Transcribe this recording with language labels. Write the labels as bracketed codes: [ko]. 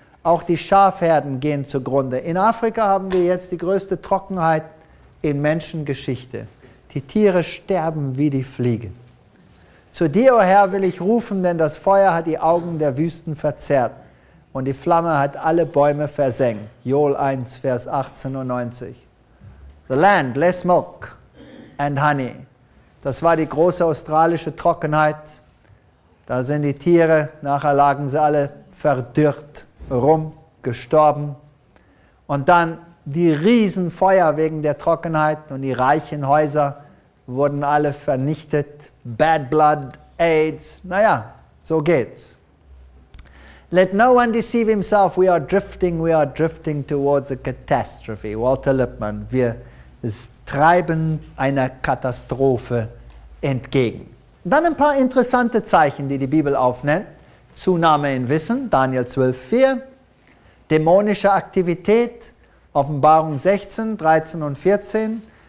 [de] Auch die Schafherden gehen zugrunde. In Afrika haben wir jetzt die größte Trockenheit in Menschengeschichte. Die Tiere sterben wie die Fliegen. Zu dir, o Herr, will ich rufen, denn das Feuer hat die Augen der Wüsten verzerrt und die Flamme hat alle Bäume versengt. Joel 1, Vers 18 und 90. [en] The land, less milk and honey. [de] Das war die große australische Trockenheit. Da sind die Tiere, nachher lagen sie alle verdürrt rum, gestorben. Und dann die Riesenfeuer wegen der Trockenheit und die reichen Häuser wurden alle vernichtet. Bad blood, AIDS, naja, so geht's. [en] Let no one deceive himself, we are drifting towards a catastrophe. [de] Walter Lippmann, wir treiben einer Katastrophe entgegen. Dann ein paar interessante Zeichen, die die Bibel aufnennt. Zunahme in Wissen, Daniel 12, 4. Dämonische Aktivität, Offenbarung 16, 13 und 14.